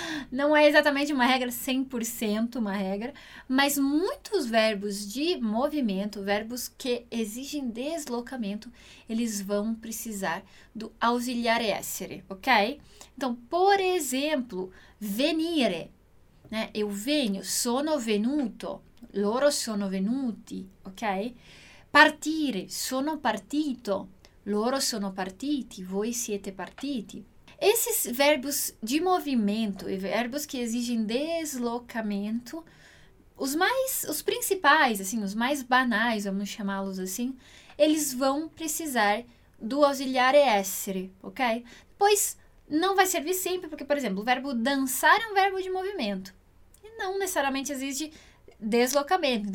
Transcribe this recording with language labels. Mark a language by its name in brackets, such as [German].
[Portuguese] Não é exatamente uma regra, 100% uma regra, mas muitos verbos de movimento, verbos que exigem deslocamento, eles vão precisar do ausiliar essere, ok? Então, por exemplo, venire, né? Eu venho, [Italian] sono venuto, loro sono venuti, ok? Partire, sono partito, loro sono partiti, voi siete partiti. [Portuguese] Esses verbos de movimento e verbos que exigem deslocamento, os principais, assim, os mais banais, vamos chamá-los assim, eles vão precisar do ausiliare essere, ok? Pois não vai servir sempre, porque, por exemplo, o verbo dançar é um verbo de movimento e não necessariamente exige deslocamento.